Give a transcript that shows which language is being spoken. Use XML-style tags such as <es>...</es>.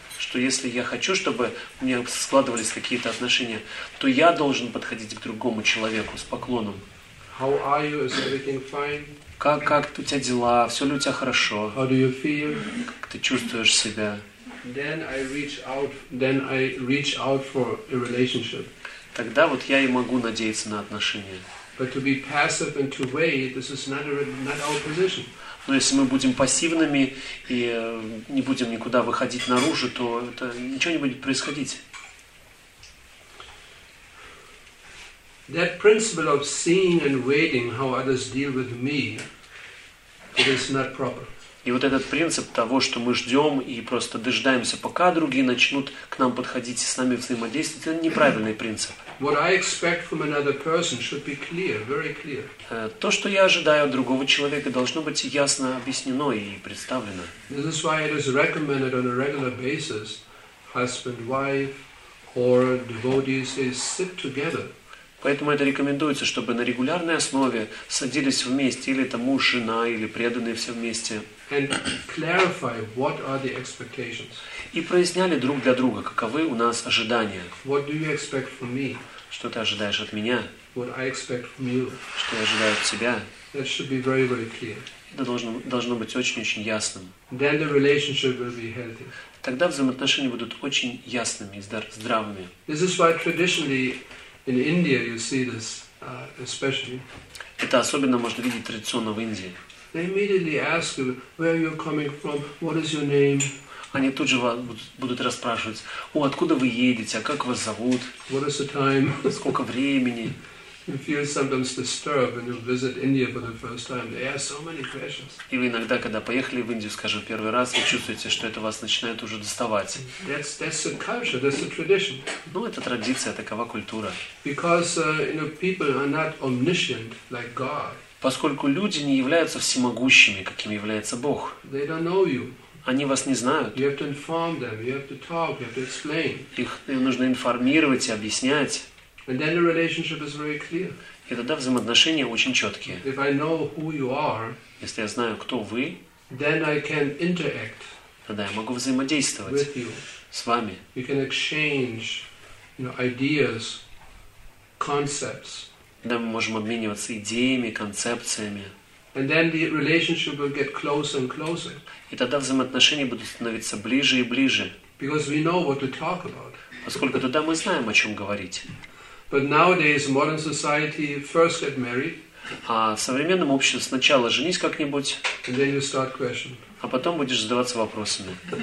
<ru>Что если я хочу, чтобы у меня складывались какие-то отношения, то я должен подходить к другому человеку с поклоном.</ru> <en>How are you? Is everything fine?</en> <ru>Как у тебя дела? Все ли у тебя хорошо?</ru> <en>How do you feel?</en> <ru>Как ты чувствуешь себя?</ru> <en>then I reach out for a relationship.</en> <ru>Тогда вот я и могу надеяться на отношения.</ru> <en>But to be passive and to wait, this is not our position.</en> <ru>Но если мы будем пассивными и не будем никуда выходить наружу, то это ничего не будет происходить.</ru> <en>That principle of seeing and waiting how others deal with me, it is not proper.</en> <ru>И вот этот принцип того, что мы ждем и просто дожидаемся, пока другие начнут к нам подходить и с нами взаимодействовать, это неправильный принцип.</ru> <en>What I expect from another person should be clear, very clear.</en> <ru>То, что я ожидаю от другого человека, должно быть ясно объяснено и представлено.</ru> <en>This is why it is recommended on a regular basis, husband, wife, or devotees, they sit together.</en> <ru>Поэтому это рекомендуется, чтобы на регулярной основе садились вместе, или это муж, жена, или преданные все вместе.</ru> <en>And clarify what are the expectations.</en> <ru>И проясняли друг для друга, каковы у нас ожидания.</ru> <en>What do you expect from me?</en> <ru>Что ты ожидаешь от меня?</ru> <en>What I expect from you?</en> <ru>Что я ожидаю от тебя?</ru> <en>That should be very, very clear.</en> <ru>Это должно быть очень-очень ясным.</ru> <en>Then the relationship will be healthy.</en> <ru>Тогда взаимоотношения будут очень ясными, здравыми.</ru> <en>This is why traditionally in India you see this especially.</en> <ru>Это особенно можно видеть традиционно в Индии.</ru> <en>They immediately ask you where you're coming from, what is your name.</en> <ru>Они тут же вас будут расспрашивать: о, откуда вы едете, а как вас зовут?</ru> <en>What is the time?</en> <ru>Сколько времени?</ru> <en>You feel sometimes disturbed when you visit India for the first time. They ask so many questions.</en> <ru>И вы иногда, когда поехали в Индию, скажем, первый раз, вы чувствуете, что это вас начинает уже доставать.</ru> <en>That's the culture. That's the tradition.</en> <ru>Ну, это традиция, такова культура.</ru> <en>Because people are not omniscient like God.</en> <ru>Поскольку люди не являются всемогущими, каким является Бог.</ru> <en>They don't know you.</en> <ru>Они вас не знают.</ru> <en>You have to inform them, you have to talk, you have to explain.</en> <ru>Их нужно информировать и объяснять.</ru> <en>And then the relationship is very clear.</en> <ru>И тогда взаимоотношения очень четкие.</ru> <en>If I know who you are,</en> <ru>если я знаю, кто вы,</ru> <en>then I can interact.</en> <ru>Тогда я могу взаимодействовать</ru> <en>with you.</en> <ru>С вами.</ru> <en>We can exchange, ideas, concepts.</en> <ru>Да, мы можем обмениваться идеями, концепциями.</ru> <en>And then the relationship will get closer and closer.</en> <ru>И тогда взаимоотношения будут становиться ближе и ближе.</ru> <en>Because we know what to talk about.</en> <ru>Поскольку тогда мы знаем, о чем говорить.</ru> <en>But nowadays modern society first get married.</en> <ru>А в современном обществе сначала женись как-нибудь.</ru> <en>And then you start questioning.</en> <ru>А потом будешь задаваться вопросами.</ru>